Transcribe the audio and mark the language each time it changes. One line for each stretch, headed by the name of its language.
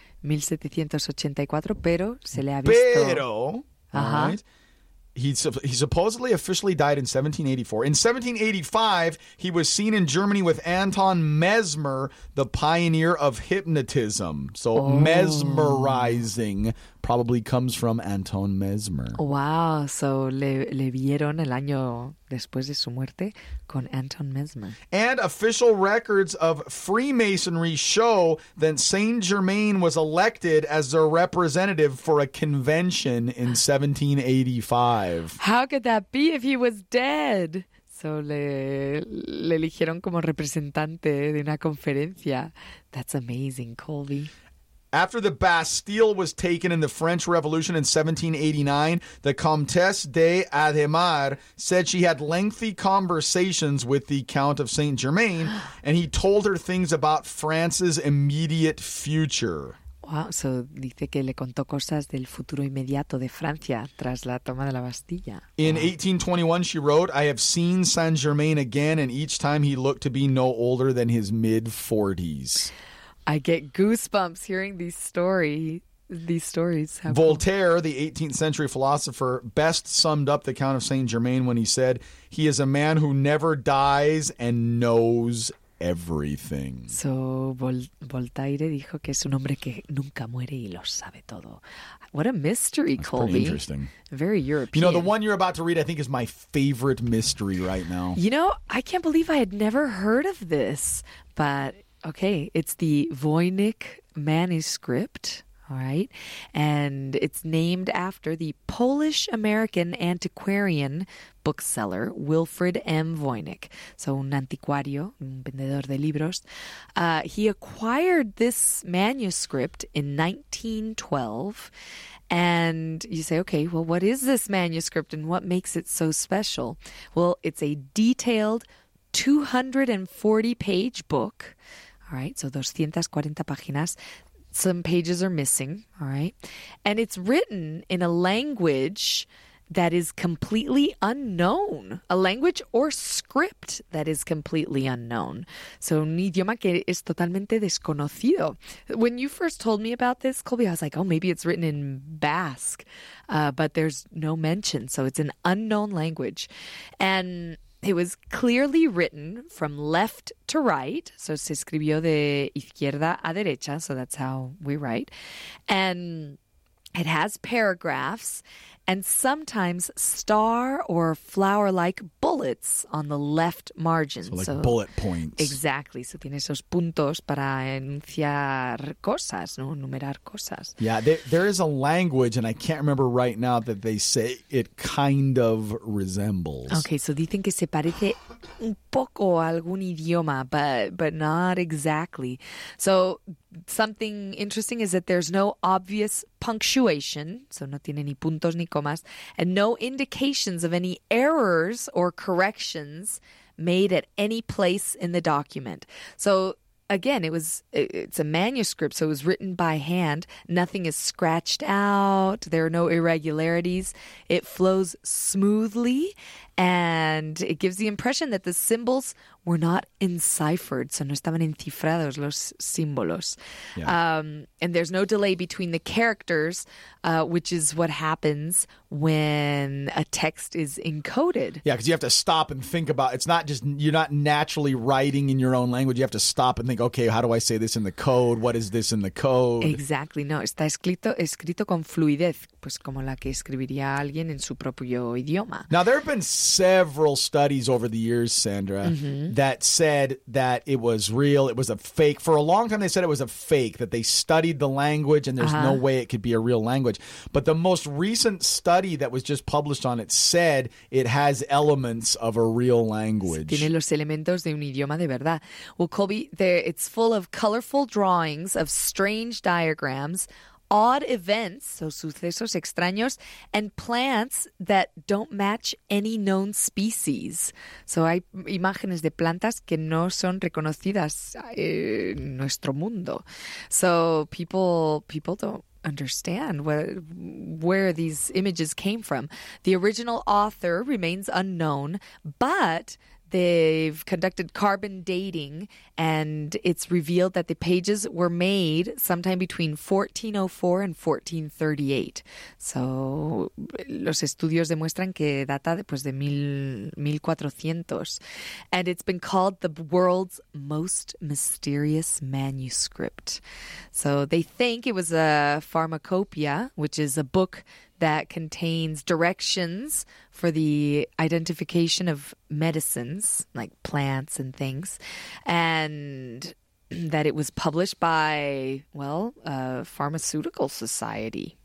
Spanish: 1784, pero se le ha visto.
English: Pero, right, he supposedly officially died in 1784. In 1785, he was seen in Germany with Anton Mesmer, the pioneer of hypnotism. So mesmerizing probably comes from Anton Mesmer.
Spanish: Wow, so le vieron el año después de su muerte con Anton Mesmer.
English: And official records of Freemasonry show that Saint Germain was elected as their representative for a convention in 1785. How could that be if he was dead?
Spanish: So le eligieron como representante de una conferencia.
English: That's amazing, Colby. After the Bastille was taken in the French Revolution in 1789, the Comtesse de Ademar said she had lengthy conversations with the Count of Saint Germain, and he told her things about France's immediate future.
Spanish: Wow, so dice que le contó cosas del futuro inmediato de Francia tras la toma de la Bastilla.
English: In 1821, she wrote, I have seen Saint Germain again, and each time he looked to be no older than his mid-40s. I get goosebumps hearing these stories. Voltaire, the 18th century philosopher, best summed up the Count of Saint Germain when he said, he is a man who never dies and knows everything.
Spanish: So Voltaire dijo que es un hombre que nunca muere y lo sabe todo.
English: What a mystery, That's Colby. Pretty interesting. Very European. You know, the one you're about to read, I think, is my favorite mystery right now. You know, I can't believe I had never heard of this, but... Okay, it's the Voynich manuscript, all right, and it's named after the Polish-American antiquarian bookseller Wilfred M.
Spanish: Voynich, so un anticuario, un vendedor de libros.
English: He acquired this manuscript in 1912, and you say, okay, well, what is this manuscript and what makes it so special? Well, it's a detailed 240-page book. All right, so
Spanish: 240 páginas.
English: Some pages are missing, all right? And it's written in a language that is completely unknown, a language or script that is completely unknown. So
Spanish: un idioma que es totalmente desconocido.
English: When you first told me about this, Colby, I was like, oh, maybe it's written in Basque, but there's no mention. So it's an unknown language. And... it was clearly written from left to right. So
Spanish: se escribió de izquierda a derecha.
English: So that's how we write. And it has paragraphs and sometimes star or flower-like bullets on the left margin. So bullet points. Exactly.
Spanish: So tiene esos puntos para enunciar cosas, ¿no? Numerar cosas.
English: Yeah, there is a language, and I can't remember right now, that they say it kind of resembles.
Spanish: Okay, so dicen que se parece un poco a algún idioma,
English: but not exactly. So something interesting is that there's no obvious punctuation, so
Spanish: no tiene ni puntos ni comas,
English: and no indications of any errors or corrections made at any place in the document. So again, it's a manuscript, so it was written by hand. Nothing is scratched out. There are no irregularities. It flows smoothly, and it gives the impression that the symbols were not enciphered.
Spanish: So no estaban encifrados los símbolos.
English: Yeah. And there's no delay between the characters, which is what happens when a text is encoded. Yeah, because you have to stop and think about it. It's not just, you're not naturally writing in your own language. You have to stop and think, okay, how do I say this in the code? What is this in the code? Exactly.
Spanish: No, está escrito con fluidez, pues como la que escribiría alguien en su propio idioma.
English: Now, there have been several studies over the years, Sandra, mm-hmm. that said that it was real, it was a fake. For a long time, they said it was a fake, that they studied the language and there's no way it could be a real language. But the most recent study that was just published on it said it has elements of a real language.
Spanish: Tiene los elementos de un idioma de verdad.
English: Well, Colby, it's full of colorful drawings of strange diagrams, odd events, so
Spanish: sucesos extraños,
English: and plants that don't match any known species.
Spanish: So hay imágenes de plantas que no son reconocidas en nuestro mundo.
English: So people don't understand where these images came from. The original author remains unknown, but they've conducted carbon dating, and it's revealed that the pages were made sometime between 1404 and 1438.
Spanish: So, los estudios demuestran que data después de 1400.
English: And it's been called the world's most mysterious manuscript. So, they think it was a pharmacopoeia, which is a book that contains directions for the identification of medicines, like plants and things, and that it was published by, well, a pharmaceutical society.